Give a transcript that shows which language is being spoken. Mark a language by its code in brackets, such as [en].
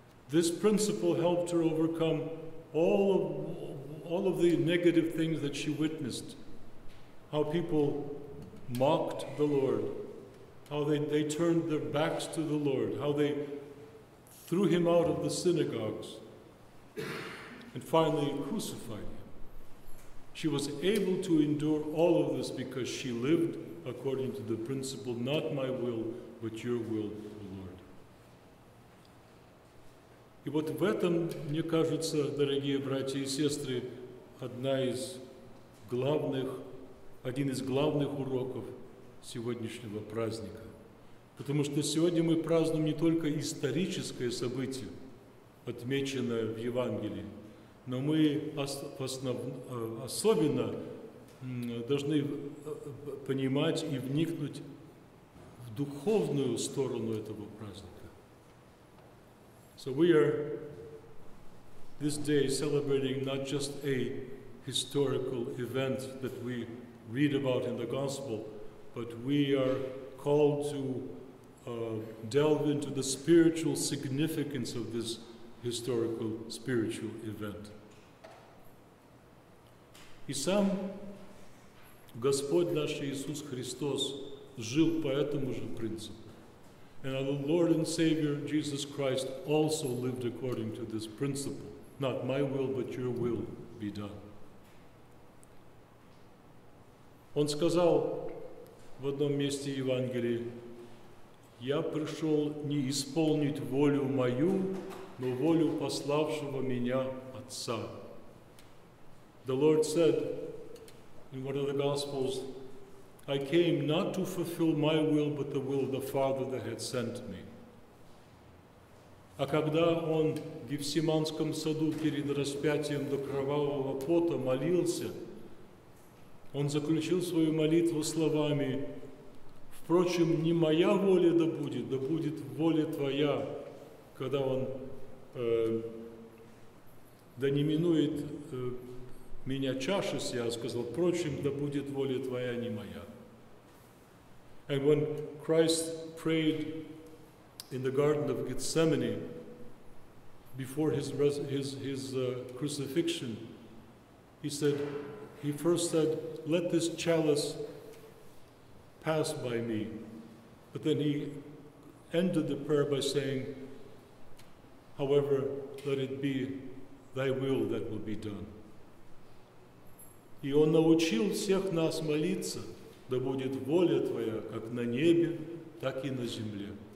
[en] This principle helped her overcome all of the negative things that she witnessed, how people mocked the Lord, how they turned their backs to the Lord, how they threw him out of the synagogues, and finally crucified him. She was able to endure all of this because she lived according to the principle, not my will, but your will, Lord. [ru] И вот в этом, мне кажется, дорогие братья и сестры, один из главных уроков сегодняшнего праздника. Потому что сегодня мы празднуем не только историческое событие, отмеченное в Евангелии, но мы особенно должны понимать и вникнуть в духовную сторону этого праздника. [en] So we are this day celebrating not just a historical event that we read about in the Gospel, but we are called to delve into the spiritual significance of this historical, spiritual event. [ru] И сам Господь наш Иисус Христос жил по этому же принципу. [en] And our Lord and Savior Jesus Christ also lived according to this principle. Not my will, but your will be done. [ru] Он сказал в одном месте Евангелия, «Я пришел не исполнить волю мою, но волю пославшего меня Отца». [en] The Lord said in one of the Gospels, I came not to fulfill my will, but the will of the Father that had sent me. [ru] А когда он в Гефсиманском саду перед распятием до кровавого пота молился, он заключил свою молитву словами, впрочем, не моя воля да будет воля твоя, когда он да не минует меня чаша сия, сказал, впрочем, да будет воля твоя, не моя. [en] And when Christ prayed in the Garden of Gethsemane before his crucifixion, he first said, let this chalice pass by me. But then he ended the prayer by saying, however, let it be thy will that will be done. [ru] И он научил всех нас молиться, да будет воля твоя, как на небе, так и на земле.